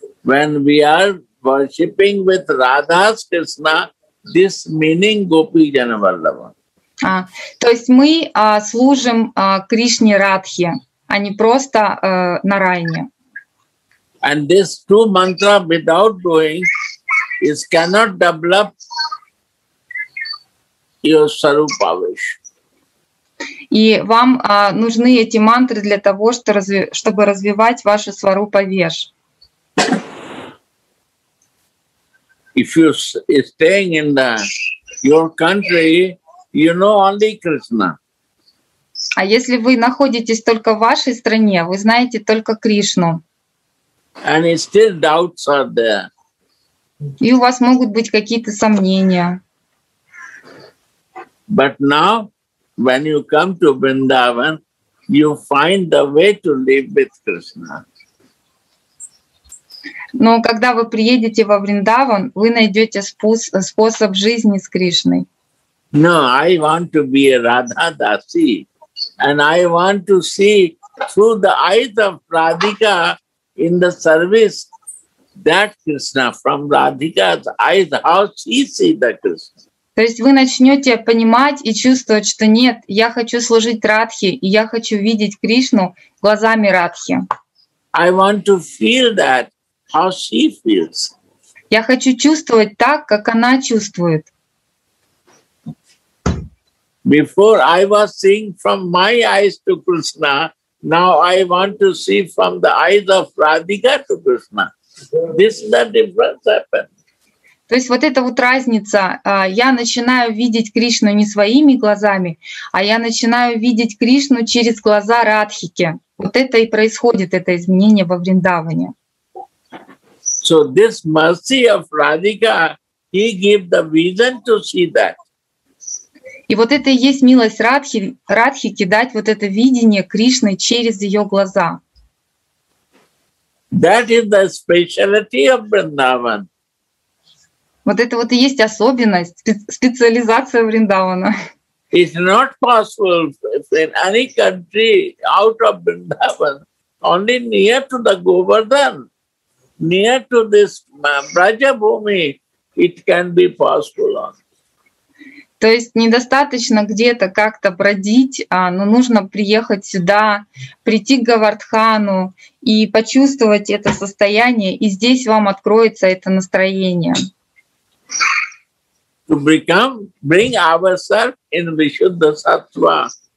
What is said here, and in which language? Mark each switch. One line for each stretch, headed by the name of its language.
English: When we are worshipping with Radhas Krishna, this meaning Gopi Janavallava.
Russian: То есть мы служим Кришне Радхе, а не просто Нарайне.
English: And this two mantra without doing is cannot develop your sarupa wish.
Russian: И вам нужны эти мантры для того, чтобы развивать вашу сварупа веш.
English: If you staying in the your country, you know only Krishna.
Russian: А если вы находитесь только в вашей стране, вы знаете только Кришну.
English: And still doubts are there.
Russian: И у вас могут быть какие-то сомнения.
English: But now, when you come to Vrindavan, you find the way to live with Krishna.
Russian: Но когда вы приедете во Вриндаван, вы найдете способ жизни с Кришной.
English: No, I want to be a Radha Dasi, and I want to see through the eyes of Radhika in the service that Krishna, from Radhika's eyes, how she sees the Krishna.
Russian: То есть вы начнете понимать и чувствовать, что нет, я хочу служить Радхе, и я хочу видеть Кришну глазами Радхи.
English: I want to feel that, how she feels.
Russian: Я хочу чувствовать так, как она чувствует.
English: Before I was seeing from my eyes to Krishna, now I want to see from the eyes of Radhika to Krishna. This is the difference happened.
Russian: То есть вот эта вот разница, я начинаю видеть Кришну не своими глазами, а я начинаю видеть Кришну через глаза Радхики. Вот это и происходит, это изменение во Вриндаване.
English: So this mercy of Radhika, he gave the vision to see that.
Russian: И вот это и есть милость Радхики, дать вот это видение Кришны через ее глаза.
English: That is the speciality of Vrindavan.
Russian: Вот это вот и есть особенность, специализация Вриндавана.
English: It's not possible in any country out of Vrindavan, only near to the Govardhan, near to this Brajabhumi, it can be possible.
Russian: То есть недостаточно где-то как-то бродить, но нужно приехать сюда, прийти к Говардхану и почувствовать это состояние, и здесь вам откроется это настроение.
English: To become, bring ourselves in Vishuddha Sattva.